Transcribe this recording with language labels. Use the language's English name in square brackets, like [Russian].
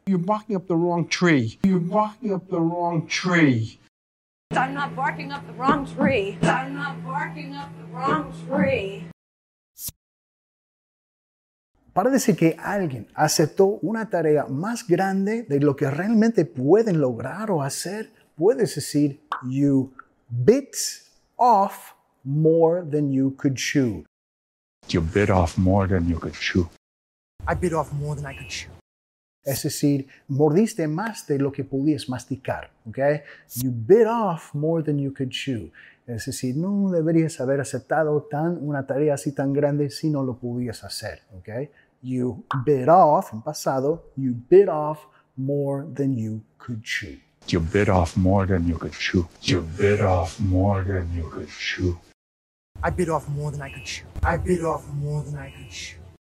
[English] You're barking up the wrong tree. You're barking up the wrong tree. I'm not barking up the wrong tree. I'm not barking up the wrong tree. [Spanish] Parece que alguien aceptó una tarea más grande de lo que realmente pueden lograr o hacer. Puedes decir, [English] you bit off more than you could chew. You bit off more than you could chew. I bit off more than I could chew. [Spanish] Es decir, mordiste más de lo que podías masticar, ¿ok? [English] You bit off more than you could chew. [Spanish] Es decir, no deberías haber aceptado una tarea así tan grande si no lo podías hacer, ¿ok? [English] You bit off, [Spanish] en pasado, [English] you bit off more than you could chew. You bit off more than you could chew. You bit off more than you could chew. I bit off more than I could chew. I bit off more than I could chew.